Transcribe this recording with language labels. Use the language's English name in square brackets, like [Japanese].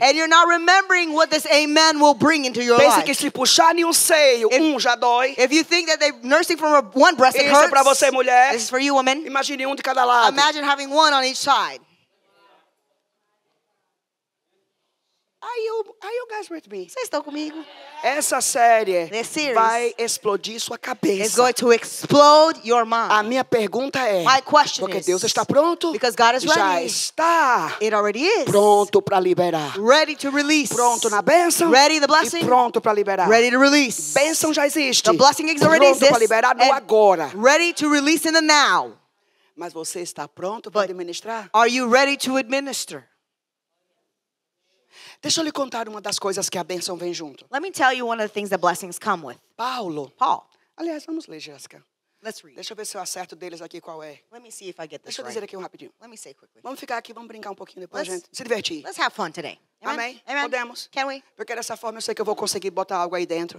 [English] And you're not remembering what this amen will bring into your [Portuguese] pense [English] life. [Portuguese] Que se puxar nenhum seio, if, já dói. [English] If you think that they nursing from one breast, [Portuguese] isso [English] it hurts. [Portuguese] É pra você, mulher. [English] This is for you, woman. [Portuguese] Imagine de cada lado. [English] Imagine having one on each side. Are you guys with me? [Portuguese] Vocês estão comigo? Essa série [English] this series [Portuguese] vai explodir sua cabeça. [English] It's going to explode your mind. [Portuguese] A minha pergunta é, [English] my question [Portuguese] porque [English] is, [Portuguese] Deus está pronto? [English] Because God is [Portuguese] já [English] ready. [Portuguese] Está. [English] It already is. [Portuguese] Pronto para liberar. [English] Ready to release. [Portuguese] Pronto na bênção. [English] Ready the blessing. [Portuguese] E pronto para liberar. [English] Ready to release. [Portuguese] Bênção já existe. [English] The blessing is already [Portuguese] pronto para liberar no agora. [English] Ready to release in the now. [Portuguese] Mas você está pronto para administrar? [English] Are you ready to administer? [Portuguese] Deixa eu lhe contar uma das coisas que a bênção vem junto. [English] Let me tell you one of the things that blessings come with. [Portuguese] Paulo. [English] Paul. [Portuguese] Aliás, vamos ler, Jéssica. [English] Let's read. [Portuguese] Deixa eu ver se eu acerto deles aqui qual é. [English] Let me see if I get this [Portuguese] deixa eu dizer aqui um rapidinho. [English] Let me say quickly. [Portuguese] Vamos ficar aqui, vamos brincar um pouquinho depois, gente. Se divertir. [English] Let's have fun today. [Portuguese] Amém? [English] Amen. [Portuguese] Podemos. [English] Can we? [Portuguese] Porque dessa forma eu sei que eu vou conseguir botar algo aí dentro.